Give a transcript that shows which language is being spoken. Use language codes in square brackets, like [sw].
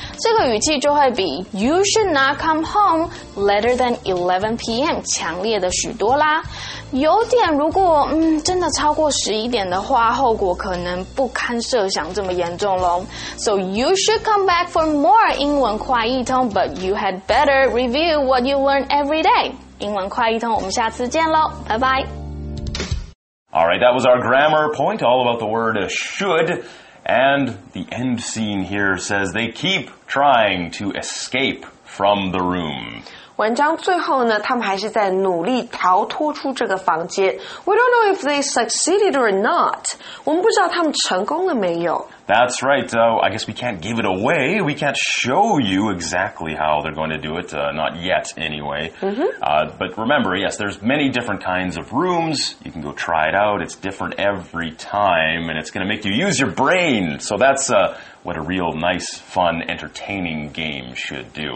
[zh] 这个语气就会比 [en] You should not come home later than 11 p.m. [zh] 强烈的许多啦。有点如果真的超过11点的话，后果可能不堪设想这么严重咯。 [en] So you should come back for more 英文快译通， But you had better review what you learn every day。 [zh] 英文快译通，我们下次见咯，拜拜。 [en] All right, that was our grammar point, all about the word should. And the end scene here says they keep trying to escape from the room. [zh] 文章最后呢，他们还是在努力逃脱出这个房间。 [en] We don't know if they succeeded or not. [zh] 我们不知道他们成功了没有。 [en] That's right. I guess we can't give it away. We can't show you exactly how they're going to do it. Not yet, anyway. Mm-hmm. But remember, yes, there's many different kinds of rooms. You can go try it out. It's different every time, and it's going to make you use your brain. So that's what a real nice, fun, entertaining game should do.